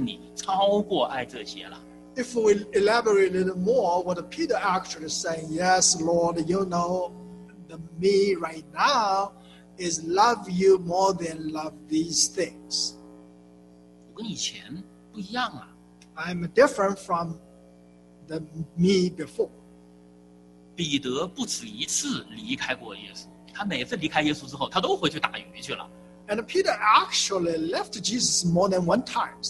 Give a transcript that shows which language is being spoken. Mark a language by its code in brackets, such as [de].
[zh] 现在的我跟以前不一样了，我现在是真正的爱你，超过爱这些了。 [en] If we elaborate a little more, what Peter actually saying, yes, Lord, you know, the me right now is love you more than love these things. [zh] 我跟以前不一样了。 [en] I'm different from the me before. [zh] 彼得不止一次离开过耶稣。他每次离开耶稣之后，他都回去打鱼去了。 [en] And Peter actually left Jesus more than one time.